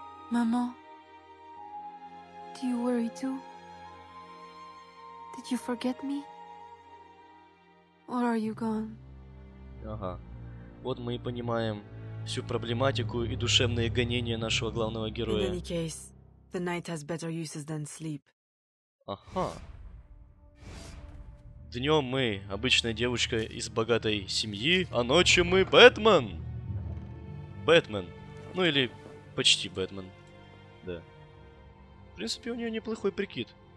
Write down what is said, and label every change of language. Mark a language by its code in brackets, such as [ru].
[ru] Мама, ты тоже? [en] Did you forget me? Or are you gone? [ru] Ага. Вот мы и понимаем всю проблематику и душевные гонения нашего главного героя. [en] In any case, the night has better uses than sleep. [ru] Ага. Днем мы обычная девочка из богатой семьи, а ночью мы Бэтмен! Бэтмен. Ну или почти Бэтмен. Да. В принципе, у нее неплохой прикид.